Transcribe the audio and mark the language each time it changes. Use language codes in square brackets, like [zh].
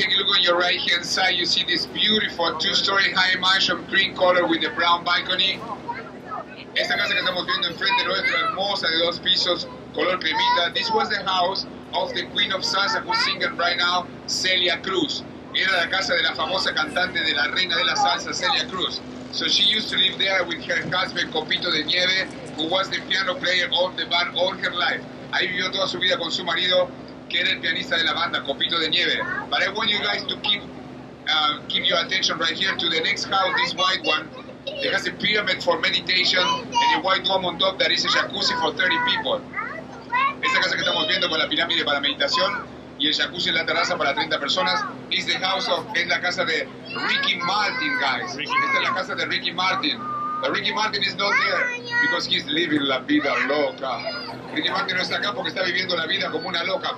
[en] You see this beautiful two-story high mansion, green color with a brown balcony. [es] Esta casa que estamos viendo enfrente nuestro, hermosa de dos pisos, color cremita. [en] This was the house of the Queen of Salsa, who's singing right now, Celia Cruz. [es] Era la casa de la famosa cantante de la reina de la salsa, Celia Cruz. [en] So she used to live there with her husband, Copito de Nieve, who was the piano player of the band all her life. [es] Ahí vivió toda su vida con su marido, que era el pianista de la banda, Copito de Nieve. [en] But I want you guys to keep your attention right here to the next house, this white one. It has a pyramid for meditation and a white dome on top that is a jacuzzi for 30 people. [es] Esta casa que estamos viendo con la pirámide para meditación y el jacuzzi en la terraza para 30 personas [en] is the house of, [es] es la casa de Ricky Martin, guys. Esta es la casa de Ricky Martin. [en] But Ricky Martin is not there because he's living la vida loca. [es] Ricky Martin no está acá porque está viviendo la vida como una loca.